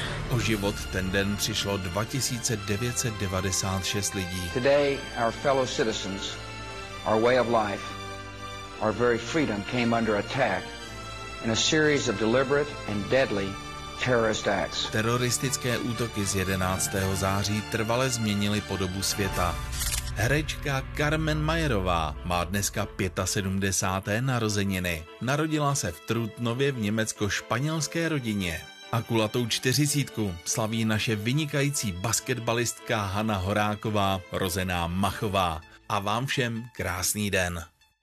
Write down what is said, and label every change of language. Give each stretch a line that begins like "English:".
Czech: O život ten den přišlo 2996 lidí.
English: Today our fellow citizens, our way of life, our very freedom came under attack in a series of deliberate and deadly terrorist acts.
Czech: Teroristické útoky z 11. září trvale změnily podobu světa. Herečka Carmen Majerová má dneska 75. narozeniny. Narodila se v Trutnově v německo-španělské rodině. A kulatou 40 slaví naše vynikající basketbalistka Hana Horáková, rozená Machová. A vám všem krásný den.